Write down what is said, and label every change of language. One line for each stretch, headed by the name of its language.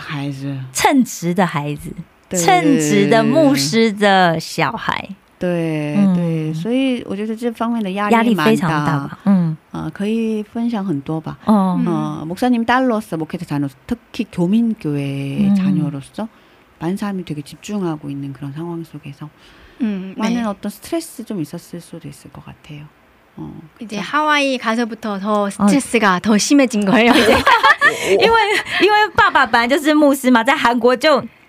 Chinese: 心情不好也不可以表现出来，要做一个善良的孩子，称职的孩子。称职的牧师的小孩，对对，所以我觉得这方面的压力非常大，可以分享很多吧。
Korean: 목사님 딸로서 목회자 자녀로서 특히 교민교회 자녀로서 많은 사람이 되게 집중하고 있는 그런 상황 속에서 많은 어떤 스트레스 좀 있었을 수도 있을 것 같아요. 이제 하와이 가서부터 더 스트레스가 더 심해진 거예요.
Chinese: 因为爸爸本来就是牧师嘛，在韩国就